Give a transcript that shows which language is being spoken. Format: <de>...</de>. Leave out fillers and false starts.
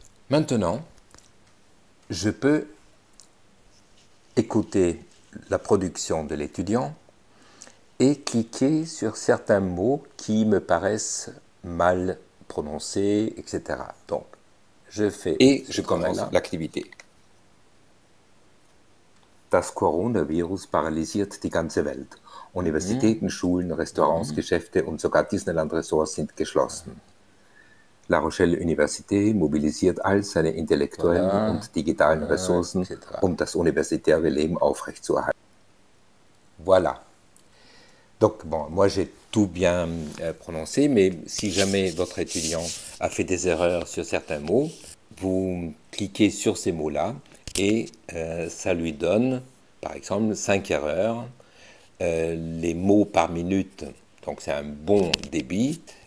<fr>Maintenant, je peux écouter la production de l'étudiant et cliquer sur certains mots qui me paraissent mal prononcer, etc. Donc, je fais et je commence l'activité.</fr> <de>Das Coronavirus paralysiert die ganze Welt. Universitäten, Schulen, Restaurants, Geschäfte und sogar Disneyland-Ressorts sind geschlossen. La Rochelle Université mobilisiert all seine intellektuellen und digitalen Ressourcen, um das universitäre Leben aufrechtzuerhalten.</de> <fr>Voilà. Donc, bon, moi j'ai tout bien prononcé, mais si jamais votre étudiant a fait des erreurs sur certains mots, vous cliquez sur ces mots-là et ça lui donne, par exemple, 5 erreurs, les mots par minute, donc c'est un bon débit.</fr>